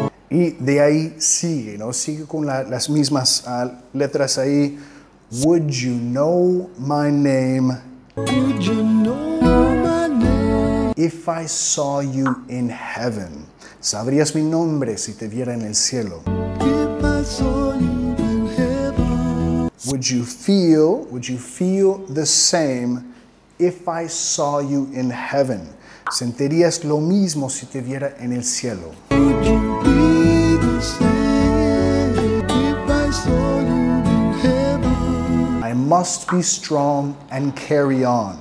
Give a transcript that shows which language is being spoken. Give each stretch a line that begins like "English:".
Spanish: Y de ahí sigue, ¿no? Sigue con las mismas letras ahí.
English: Would you know my name? Would you know my name? If I saw you in heaven.
Spanish: ¿Sabrías mi nombre si te viera en el cielo?
English: If I saw you in heaven. Would you feel the same if I saw you in heaven?
Spanish: ¿Sentirías lo mismo si te viera en el cielo?
English: Would you be the same if I saw you in heaven? I must be strong and carry on.